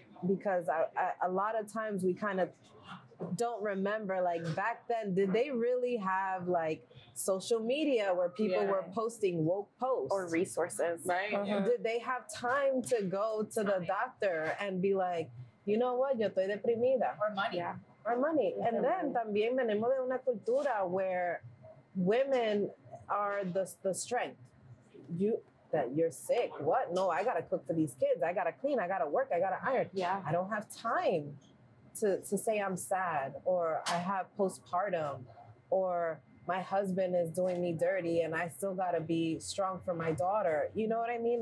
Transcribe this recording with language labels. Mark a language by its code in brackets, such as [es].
[en] Because I, a lot of times we kind of don't remember, like, back then, did they really have, like, social media where people were posting woke posts? Or resources. Right. Uh-huh. Yeah. Did they have time to go to the doctor and be like, you know what, [es] yo estoy deprimida. [en] Or money. Yeah. Or money. Yeah. And then [es] también venimos de una cultura [en] where women are the strength. That you're sick. What? No, I gotta cook for these kids. I gotta clean. I gotta work. I gotta iron. Yeah. I don't have time to say I'm sad or I have postpartum or my husband is doing me dirty and I still gotta be strong for my daughter. You know what I mean?